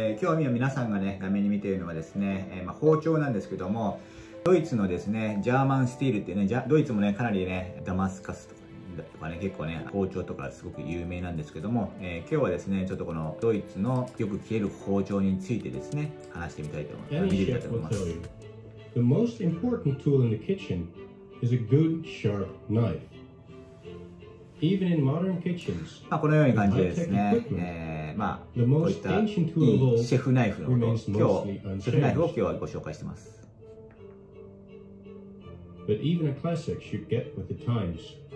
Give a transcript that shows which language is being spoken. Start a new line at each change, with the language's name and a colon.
Japanese: 興味を皆さんがね、画面に見ているのはですね、包丁なんですけども、ドイツのですね、ジャーマンスティールっていうね、ドイツもね、かなりね、ダマスカスとかね、結構ね、包丁とかすごく有名なんですけども、今日はですね、ちょっとこのドイツのよく切れる包丁についてですね、話してみたいと思います。見てみたいと思います。
English: The most important tool in the kitchen is a good sharp knife. Even in modern kitchens,
Japanese: このように感じですね。こういったシェフナイフのことを今日、シェフナイフを今日はご紹介しています。
English: But even a classic should get with the times.